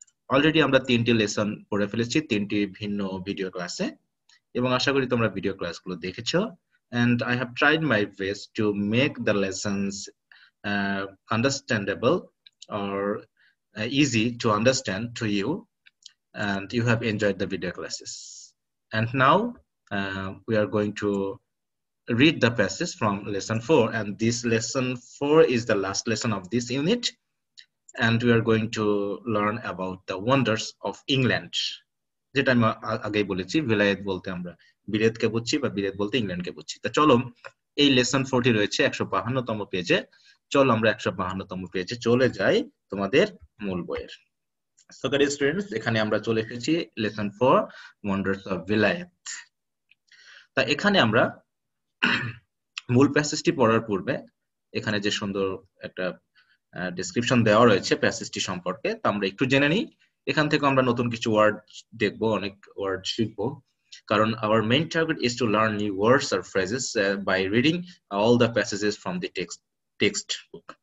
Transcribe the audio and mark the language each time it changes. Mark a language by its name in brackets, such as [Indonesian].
[Bangla] Already আমরা তিনটি lesson পড়ে ফেলেছি তিনটি ভিন্ন ভিডিও ক্লাসে, এবং আশা করি তোমরা ভিডিও ক্লাসগুলো দেখেছ। [English] And I have tried my best to make the lessons understandable or easy to understand to you, and you have enjoyed the video classes. And now we are going to read the passage from lesson 4, and this lesson 4 is the last lesson of this unit, and we are going to learn about the wonders of England. [Bangla] যেটা আমি আগেই বলেছি, বিলায়েত বলতে আমরা বিলেত কে বুঝছি বা বিলেত বলতে England কে বুঝছি। তা চলো, এই lesson 4 টি রয়েছে 152 তম পেজে। চলো আমরা 152 তম পেজে চলে যাই তোমাদের মূল বইয়ের। [English] So guys, students, [Bangla] এখানে আমরা চলে এসেছি [English] lesson 4, wonders of Vilayet. [Bangla] তা এখানে আমরা মূল প্যাসেজটি পড়ার পূর্বে এখানে যে সুন্দর একটা ডেসক্রিপশন দেওয়া রয়েছে প্যাসেজটি সম্পর্কে, তা আমরা একটু জেনে নিই। এখান থেকে আমরা নতুন কিছু ওয়ার্ড দেখব, অনেক ওয়ার্ড শিখব, কারণ [English] Our main target is to learn new words R phrases by reading all the passages from the text book.